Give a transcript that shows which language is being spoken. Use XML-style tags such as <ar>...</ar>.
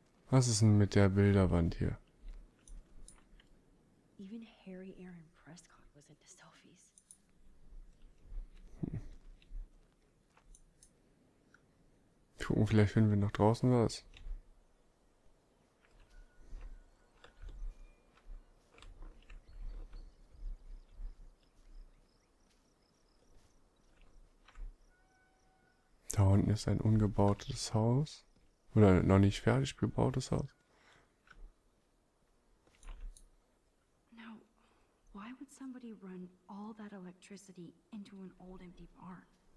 <de>Was ist denn mit der Bilderwand hier?</de> <en>Even Harry Aaron Prescott was into selfies.</en> <de>Gucken, vielleicht finden wir noch draußen was. Da unten ist ein ungebautes Haus. Oder ein noch nicht fertig gebautes Haus.</de> <en>Now, why would somebody run all that electricity into an old empty barn?</en>